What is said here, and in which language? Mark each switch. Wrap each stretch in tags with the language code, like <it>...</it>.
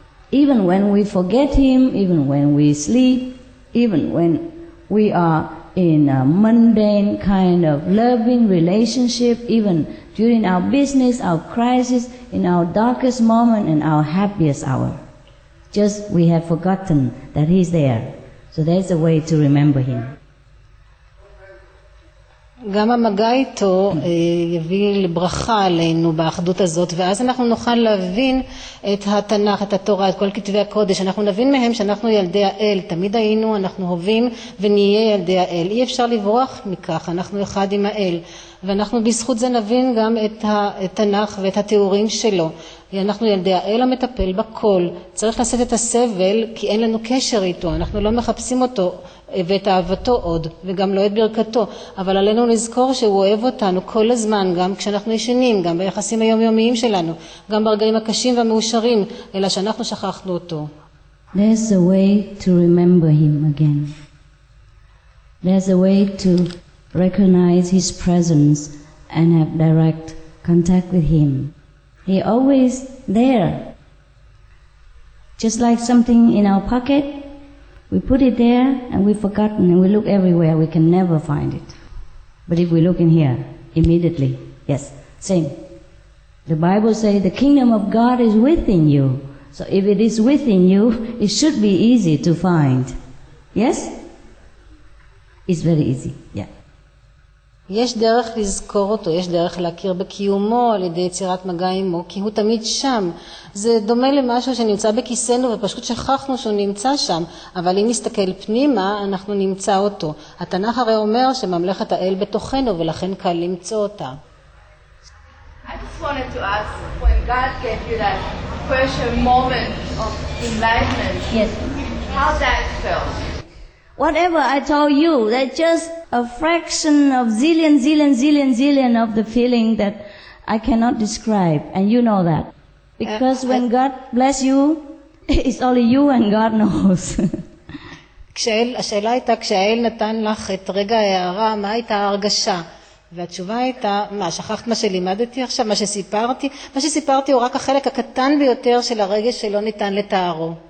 <en>Even when we forget him, even when we sleep, even when we are in a mundane kind of loving relationship, even during our business, our crisis, in our darkest moment and our happiest hour. Just we have forgotten that he's there. So there's a way to remember him.</en> <he>גם המגע איתו יביא לברכה עלינו באחדות הזאת, ואז אנחנו נוכל להבין את התנ"ך, את התורה, את כל כתבי הקודש. אנחנו נבין מהם שאנחנו ילדי האל, תמיד היינו, אנחנו הווים ונהיה ילדי האל. אי אפשר לברוח מכך, אנחנו אחד עם האל. ואנחנו בזכות זה נבין גם את התנ"ך ואת התיאורים שלו. אנחנו ילדי האל המטפל בכל. צריך לשאת את הסבל, כי אין לנו קשר איתו, אנחנו לא מחפשים אותו. ואת אהבתו עוד, וגם לא את ברכתו, אבל עלינו לזכור שהוא אוהב אותנו כל הזמן, גם כשאנחנו ישנים, גם ביחסים היומיומיים שלנו, גם ברגעים הקשים והמאושרים, אלא שאנחנו שכחנו אותו.</he> <en>There's a way to remember him again. There's a way to recognize his presence and have direct contact with him. He always there. Just like something in our pocket, we put it there and we forgotten and we look everywhere, we can never find it. But if we look in here, immediately, yes, same. The Bible says the kingdom of God is within you. So if it is within you, it should be easy to find. Yes? It's very easy, yeah.</en> <he>יש דרך לזכור אותו, יש דרך להכיר בקיומו על ידי יצירת מגע עמו, כי הוא תמיד שם. זה דומה למשהו שנמצא בכיסנו ופשוט שכחנו שהוא נמצא שם, אבל אם נסתכל פנימה, אנחנו נמצא אותו. התנ"ך הרי אומר שממלכת האל בתוכנו ולכן קל למצוא אותה.</he> <en>I just wanted to ask, when God gave you that special moment of enlightenment, yes. How that felt? Whatever I told you, that's just a fraction of zillion, zillion, zillion, zillion of the feeling that I cannot describe. And you know that. Because when God bless you, it's only you and God knows.</en> <he>השאלה הייתה, כשהאל נתן לך את רגע ההערה, מה הייתה ההרגשה? והתשובה הייתה, מה, שכחת מה שלימדתי עכשיו, מה שסיפרתי? מה שסיפרתי הוא רק החלק הקטן ביותר של הרגש שלא ניתן לתארו.</he>